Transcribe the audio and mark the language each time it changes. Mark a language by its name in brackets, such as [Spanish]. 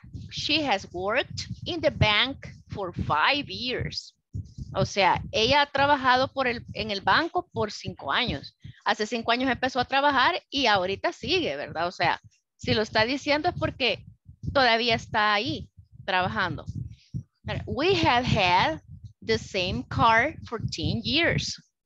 [English] She has worked in the bank for 5 years. [Spanish] O sea, ella ha trabajado en el banco por 5 años. Hace 5 años empezó a trabajar y ahorita sigue, ¿verdad? O sea, si lo está diciendo es porque todavía está ahí trabajando. [English] We have had the same car for 10 years.